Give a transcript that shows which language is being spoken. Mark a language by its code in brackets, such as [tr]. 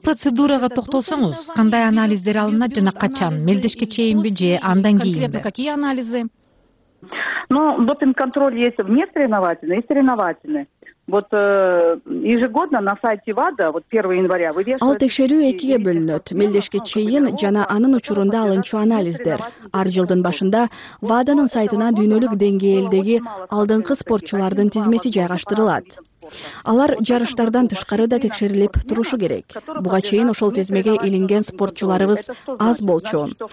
[ky] Ушул процедурага токтолсоңуз, кандай анализдер алынат жана качан, мелдешке чейинби же андан кийинби? [ru] Какие анализы? Ну, допинг контроль есть вне соревновательный и соревновательный. Вот ежегодно на сайте ВАДА, вот 1 января, вывешивается... [ky] Ал текшерүү экиге бөлүнөт. Мелдешке чейин жана анын учурунда алынчу анализдер. Ар жылдын башында ВАДАнын сайтына дүйнөлүк деңгээлдеги алдыңкы спортчулардын тизмеси жайгаштырылат. Алар жарыштардан тышкары да текшерилип турушу керек. Буга чейин ошол тизмеге илинген спортчуларыбыз аз болчу.